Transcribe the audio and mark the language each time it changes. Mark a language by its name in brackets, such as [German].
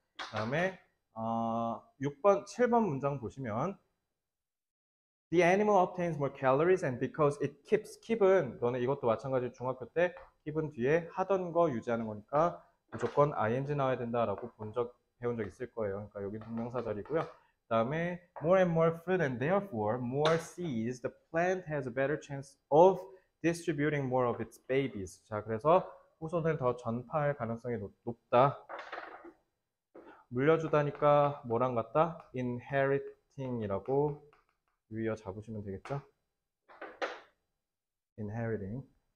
[Korean] 그 다음에 6번 7번 문장 보시면 [English] The animal obtains more calories and because it keeps [Korean] keep은 너네 이것도 마찬가지 중학교 때 keep은 뒤에 하던 거 유지하는 거니까 무조건 ing 나와야 된다라고 배운 적 있을 거예요. 그러니까 여기 동명사 자리고요. 그 다음에 [English] more and more fruit and therefore more seeds the plant has a better chance of distributing more of its babies. [Korean] 자, 그래서 후손을 더 전파할 가능성이 높다. 물려주다니까 뭐랑 같다? inheriting이라고 유의어 잡으시면 되겠죠? [English] inheriting.